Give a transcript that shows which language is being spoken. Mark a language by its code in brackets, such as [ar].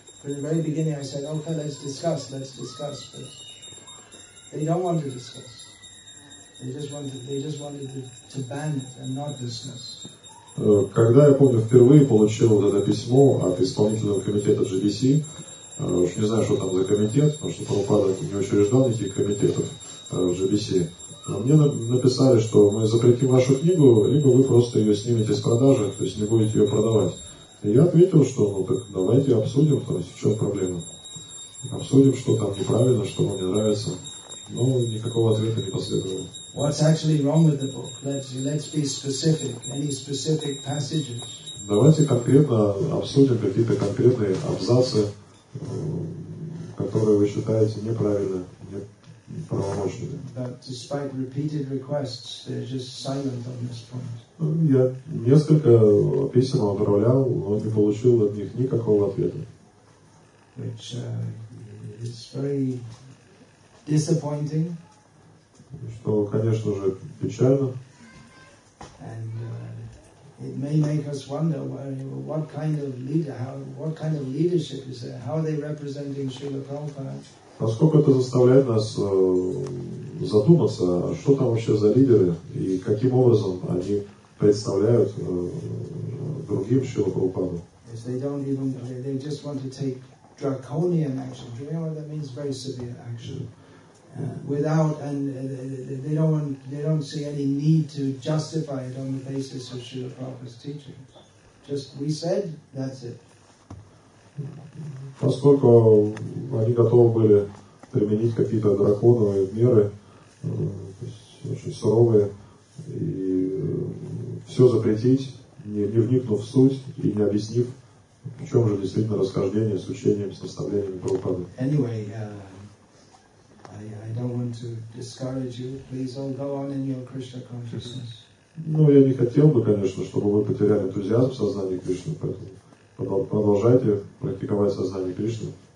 [en] From the very beginning, I said, okay, let's discuss, but they don't want to discuss. They just wanted to ban it and not discuss. [ru] Когда я, помню, впервые получил вот это письмо от исполнительного комитета GBC, уж не знаю, что там за комитет, потому что Прабхупада не учреждал никаких комитетов GBC, мне написали, что мы запретим вашу книгу, либо вы просто ее снимете с продажи, то есть не будете ее продавать. И я ответил, что ну так давайте обсудим, то есть в чем проблема. Обсудим, что там неправильно, что вам не нравится. Но никакого ответа не последовало. [en] What's actually wrong with the book? Let's be specific. Any specific passages? [ru] Давайте конкретно обсудим какие-то конкретные абзацы, которые вы считаете неправильными, неправомочными. [en] But despite repeated requests, they're just silent on this point. [ru] Я несколько писем отправлял, но не получил от них никакого ответа. [en] Which is very disappointing. [ru] Что, конечно же, печально. [en] And it may make us wonder what kind of leader, what kind of leadership is there? How are they representing Srila Prabhupada? [ru] Поскольку это заставляет нас задуматься, что там вообще за лидеры и каким образом они представляют другим Шрила Прабхупаду. [en] If they don't even, they just want to take draconian action. Do you know what that means? Very severe action. Without and they don't see any need to justify it on the basis of Srila Prabhupada's teaching. Just we said, that's it. [ru] Поскольку они готовы были применить какие-то драконовые меры, очень суровые, и все запретить, не вникнув в суть и не объяснив, в чем же действительно расхождение с учением, с наставлением Прабхупады. [en] Anyway, I don't want to discourage you. Please all go on in your Krishna consciousness. [ru] Ну, я не хотел бы, конечно, чтобы вы потеряли энтузиазм в сознании Кришны, поэтому продолжайте практиковать сознание Кришны.